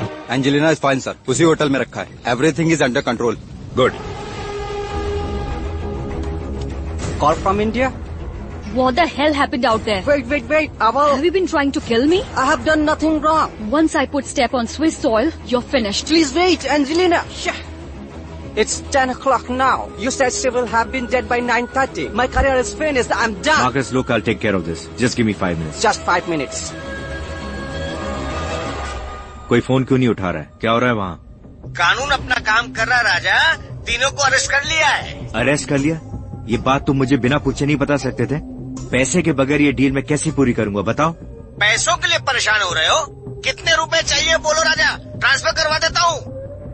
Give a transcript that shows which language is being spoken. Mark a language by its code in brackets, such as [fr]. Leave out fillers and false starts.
[en] Angelina is fine sir, [hi] उसी hotel में रखा है, [en] Everything is under control. Good. Call from India? What the hell happened out there? Wait. Have you been trying to kill me? I have done nothing wrong. Once I put step on Swiss soil, you're finished. Please wait, Angelina. It's 10 o'clock now. You said civil have been dead by 9:30. My career is finished. I'm done. Marcus, look, I'll take care of this. Just give me 5 minutes. Just 5 minutes. [hi] कोई phone क्यों नहीं उठा रहा है? क्या हो रहा है वहाँ? कानून अपना काम कर रहा है राजा, तीनों को अरेस्ट कर लिया है। अरेस्ट कर लिया? ये बात तुम मुझे बिना पूछे नहीं बता सकते थे? पैसे के बगैर ये डील मैं कैसे पूरी करूंगा बताओ? पैसों के लिए परेशान हो रहे हो? कितने रुपए चाहिए बोलो राजा, ट्रांसफर करवा देता हूँ।